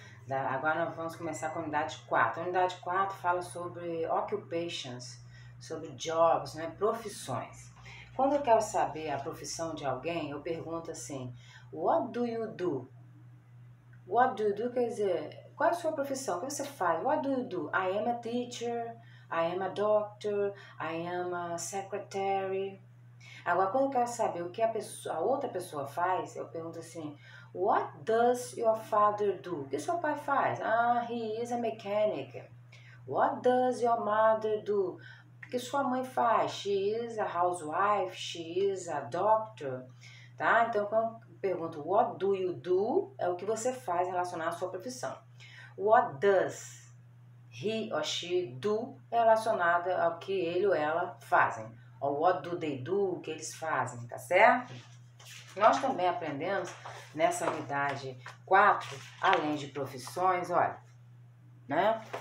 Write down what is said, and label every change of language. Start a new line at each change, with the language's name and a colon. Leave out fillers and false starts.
Portuguese: Agora nós vamos começar com a unidade 4. A unidade 4 fala sobre occupations, sobre jobs, né, profissões. Quando eu quero saber a profissão de alguém, eu pergunto assim:
English: What do you do? What do you do
Portuguese: quer dizer, qual é a sua profissão? O que você faz?
English: What do you do? I am a teacher, I am a doctor, I am a secretary.
Portuguese: Agora, quando eu quero saber o que a outra pessoa faz, eu pergunto assim:
English: What does your father do?
Portuguese: O que seu pai faz?
English: Ah, he is a mechanic. What does your mother do?
Portuguese: O que sua mãe faz?
English: She is a housewife, she is a doctor.
Portuguese: Tá? Então, quando eu pergunto:
English: What do you do?
Portuguese: É o que você faz relacionado à sua profissão.
English: What does he or she do
Portuguese: é relacionado ao que ele ou ela fazem. Ou
English: what do they do,
Portuguese: o que eles fazem, tá certo? Nós também aprendemos nessa unidade 4, além de profissões, olha, né?